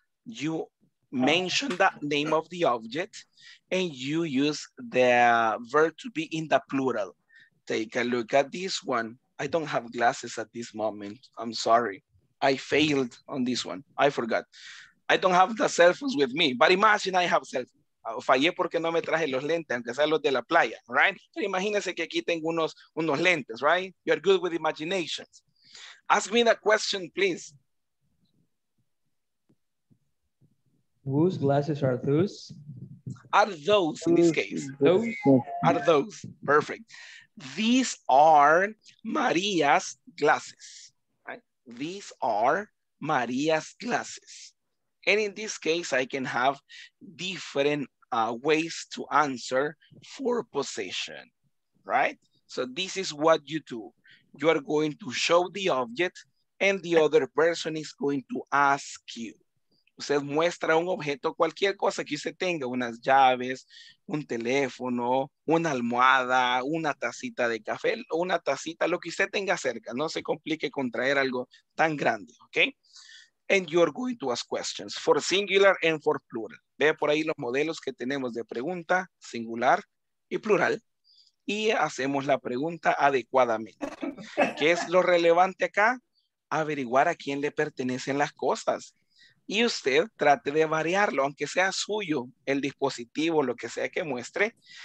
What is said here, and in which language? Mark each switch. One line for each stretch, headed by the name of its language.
English: You mention the name of the object and you use the verb to be in the plural. Take a look at this one. I don't have glasses at this moment. I'm sorry. I failed on this one. I forgot. I don't have the cell phones with me, but imagine I have cell phones.
Spanish: Fallé porque no me traje los lentes, aunque sea los de la playa,
English: right?
Spanish: Pero imagínense que aquí tengo unos lentes,
English: right? You're good with imaginations. Ask me the question, please. Whose glasses are those? Are those in this case? Those are those. Perfect. These are Maria's glasses. Right? These are Maria's glasses. And in this case, I can have different ways to answer for possession. Right? So this is what you do. You are going to show the object and the other person is going to ask you.
Spanish: Usted muestra un objeto, cualquier cosa que usted tenga, unas llaves, un teléfono, una almohada, una tacita de café, o una tacita, lo que usted tenga cerca. No se complique con traer algo tan grande, ¿ok?
English: And you're going to ask questions for singular and for plural.
Spanish: Ve por ahí los modelos que tenemos de pregunta, singular y plural. Y hacemos la pregunta adecuadamente. ¿Qué es lo relevante acá? Averiguar a quién le pertenecen las cosas. Y usted trate de variarlo, aunque sea suyo el dispositivo, lo que sea que muestre.